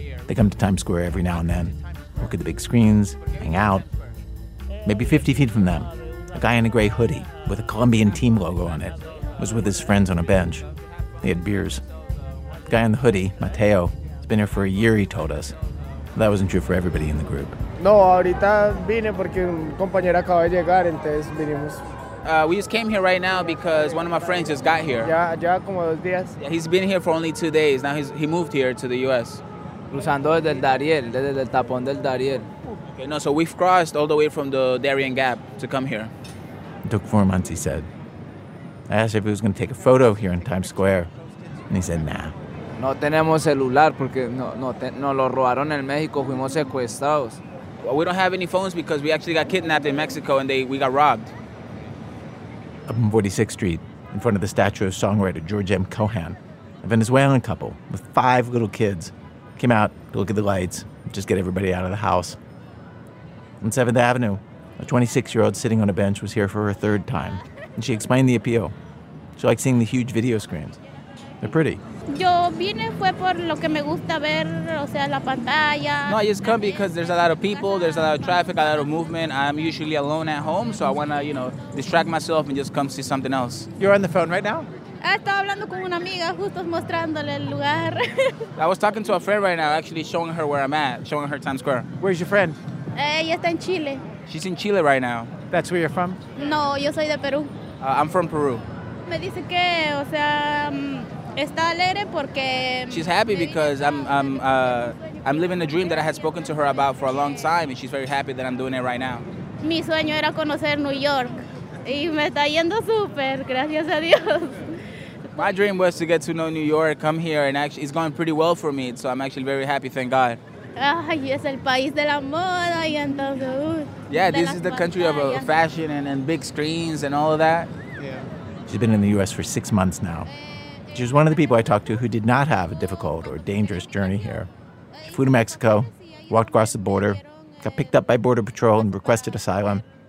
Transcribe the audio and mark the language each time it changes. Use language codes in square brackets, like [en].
[en] They come to Times Square every now and then, look at the big screens, hang out. Maybe 50 feet from them, a guy in a gray hoodie with a Colombian team logo on it was with his friends on a bench. They had beers. The guy in the hoodie, Mateo, has been here for a year, he told us. That wasn't true for everybody in the group. [es] No, ahorita vine porque un compañero acaba de llegar, entonces vinimos. [en] We just came here right now because one of my friends just got here. [es] Ya como dos días. [en] Yeah, he's been here for only 2 days. Now he moved here to the U.S. [es] Cruzando desde el Dariel, desde el tapón del Dariel. [en] Okay, no, so we've crossed all the way from the Darien Gap to come here. It took 4 months, he said. I asked if he was going to take a photo here in Times Square, and he said, nah. [es] No tenemos celular porque no lo robaron en México, fuimos secuestrados. [en] Well, we don't have any phones because we actually got kidnapped in Mexico and we got robbed. Up on 46th Street, in front of the statue of songwriter George M. Cohan, a Venezuelan couple with 5 little kids came out to look at the lights, just get everybody out of the house. On 7th Avenue, a 26-year-old sitting on a bench was here for her 3rd time, and she explained the appeal. She liked seeing the huge video screens. They're pretty. [es] Yo vine fue por lo que me gusta ver, o sea, la pantalla. [en] No, I just come because there's a lot of people, there's a lot of traffic, a lot of movement. I'm usually alone at home, so I want to, you know, distract myself and just come see something else. You're on the phone right now? [es] Estaba hablando con una amiga, justo mostrándole el lugar. [en] I was talking to a friend right now, actually showing her where I'm at, showing her Times Square. Where's your friend? [es] Ella está en Chile. [en] She's in Chile right now. That's where you're from? [es] No, yo soy de Peru. [en] I'm from Peru. [es] Me dice que, o sea, está alegre porque... [en] She's happy because I'm living a dream that I had spoken to her about for a long time, and she's very happy that I'm doing it right now. [es] Mi sueño era conocer New York, y me está yendo súper, gracias a Dios. [en] My dream was to get to know New York, come here, and actually, it's going pretty well for me, so I'm actually very happy, thank God. [es] Ay, es el país de la moda, y entonces, [en] yeah, this is the country of fashion and big screens and all of that. Yeah. She's been in the U.S. for 6 months now. She was one of the people I talked to who did not have a difficult or dangerous journey here. She flew to Mexico, walked across the border, got picked up by Border Patrol and requested asylum.